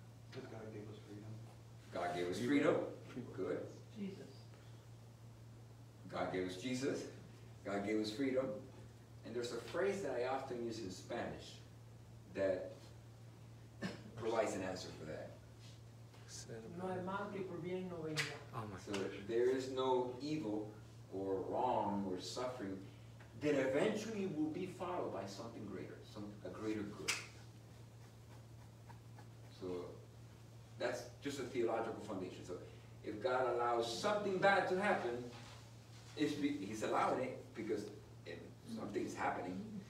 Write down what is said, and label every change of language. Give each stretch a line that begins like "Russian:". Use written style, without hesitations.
English: Because God gave us freedom. God gave us freedom. Good. Jesus. God gave us Jesus. God gave us freedom. And there's a phrase that I often use in Spanish that provides an answer for that.
Spanish: No hay mal que por bien no venga.
English: So there is no evil or wrong or suffering that eventually will be followed by something greater, a greater good. So that's just a theological foundation. So if God allows something bad to happen, he's allowing it because something's happening.